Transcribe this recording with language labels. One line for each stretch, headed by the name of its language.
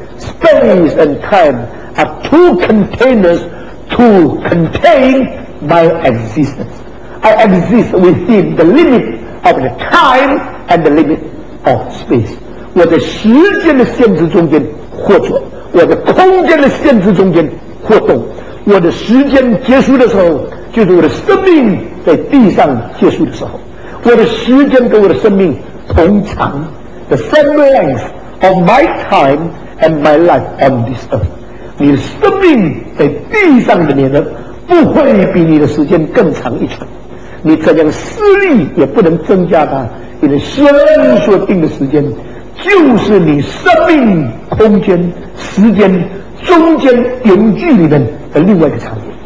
English: Space and time are two containers to contain my existence. I exist within the limit of the time and the limit of space.
Chinese: 我在时间的限制中间活着，我在空间的限制中间活动。我的时间结束的时候，就是我的生命在地上结束的时候。我的时间跟我的生命同长，
English: the same length of my time and my life on this earth.
Chinese: 你的生命在地上的年龄不会比你的时间更长一寸，你怎样施力也不能增加它。你的先所定的时间就是你生命空间时间中间永居里面的另外一个产业。